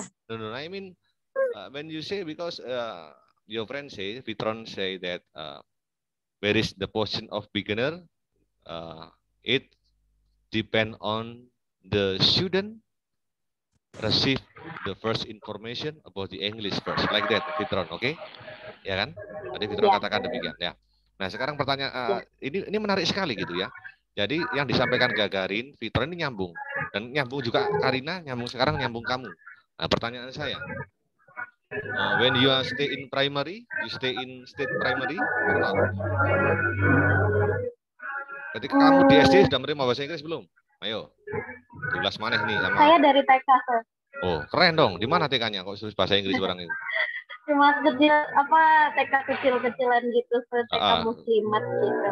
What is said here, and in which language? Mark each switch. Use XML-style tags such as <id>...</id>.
<en>No, I mean, when you say, because your friend say, Vitron say that where is the position of beginner? It depends on the student receive the first information about the English first, like that, Fitron, okay?</en> <id>Ya kan? Tadi Fitron katakan demikian, ya. Nah, sekarang pertanyaan, ini menarik sekali gitu ya. Jadi yang disampaikan Gagarin, Fitron ini nyambung, dan nyambung juga Karina, nyambung sekarang nyambung kamu. Nah, pertanyaan saya.</id> <en>When you are stay in primary, you stay in state primary?</en> <id>Jadi kamu di SD sudah menerima bahasa Inggris belum? Ayo. 12 maneh nih sama. Saya dari TK, Sir. Oh, keren dong. Di mana TK-nya kok sulit bahasa Inggris orang itu? Cuma kecil apa TK kecil-kecilan gitu, TK muslimat gitu.</id>